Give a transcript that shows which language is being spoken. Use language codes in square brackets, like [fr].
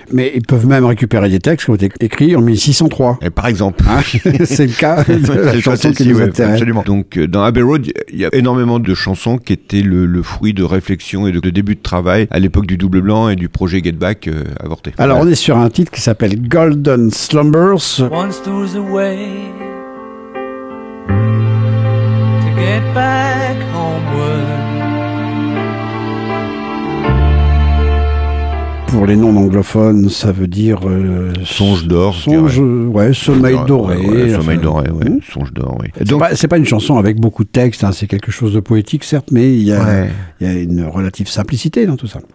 [fr] Mais ils peuvent même récupérer des textes qui ont été écrits en 1603. Et par exemple. Hein, c'est le cas de la chanson qui nous intéresse. Absolument. Donc dans Abbey Road, il y a énormément de chansons qui étaient le fruit de réflexions et de débuts de travail à l'époque du double blanc et du projet Get Back avorté. Alors on est sur un titre qui s'appelle Golden Slumbers. [en] Once there was a way to get back homeward. [fr] Pour les non-anglophones, ça veut dire... Songe d'or, sommeil doré. Sommeil doré, oui. Songe d'or, oui. Donc, c'est pas une chanson avec beaucoup de texte, hein, c'est quelque chose de poétique, certes, mais il y a une relative simplicité dans tout ça.